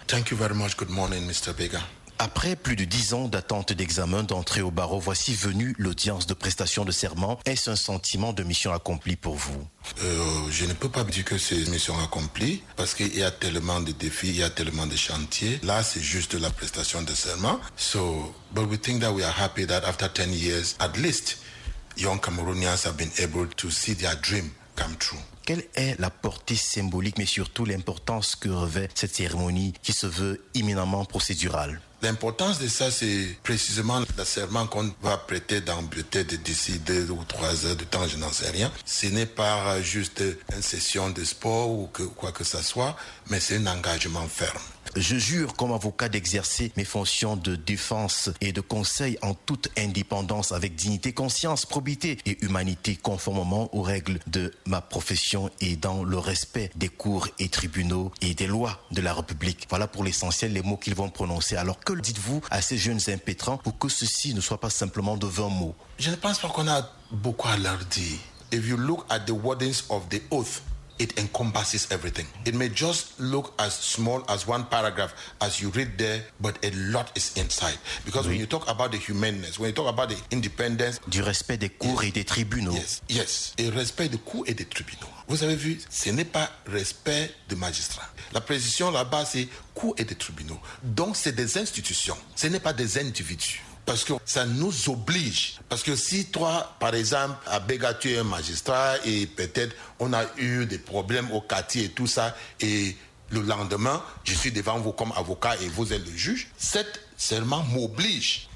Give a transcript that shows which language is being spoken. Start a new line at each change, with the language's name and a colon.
English: Thank you very much. Good morning, Mr. Bega.
French: Après plus de 10 ans d'attente d'examen d'entrée au barreau, voici venue l'audience de prestation de serment. Est-ce un sentiment de mission accomplie pour vous? Je ne peux pas dire que c'est mission accomplie parce qu'il y a tellement de défis, il y a tellement de chantiers. Là, c'est juste la prestation de serment.
English: So, but we think that we are happy that after 10 years, at least, young Cameroonians have been able to see their dream come true.
French: Quelle est la portée symbolique, mais surtout l'importance que revêt cette cérémonie qui se veut éminemment procédurale? L'importance de ça, c'est précisément le serment qu'on va prêter dans peut-être d'ici 2 ou 3 heures de temps, je n'en sais rien. Ce n'est pas juste une session de sport ou que, quoi que ce soit, mais c'est un engagement ferme. Je jure comme avocat d'exercer mes fonctions de défense et de conseil en toute indépendance avec dignité, conscience, probité et humanité conformément aux règles de ma profession et dans le respect des cours et tribunaux et des lois de la République. Voilà pour l'essentiel les mots qu'ils vont prononcer. Alors que dites-vous à ces jeunes impétrants pour que ceci ne soit pas simplement de vains mots? Je ne pense pas qu'on a beaucoup à leur dire.
English: If you look at the wordings of the oath, it encompasses everything. It may just look as small as one paragraph as you read there, but a lot is inside. Because when you talk about the humaneness, when you talk about the independence...
French: Du respect des cours et des tribunaux. Yes, et respect des cours et des tribunaux. Vous avez vu, ce n'est pas respect des magistrats. La précision là-bas, c'est cours et des tribunaux. Donc, c'est des institutions. Ce n'est pas des individus. Parce que ça nous oblige. Parce que si toi, par exemple, à Béga, tu es un magistrat et peut-être on a eu des problèmes au quartier et tout ça, et le lendemain, je suis devant vous comme avocat et vous êtes le juge, cette serment m'oblige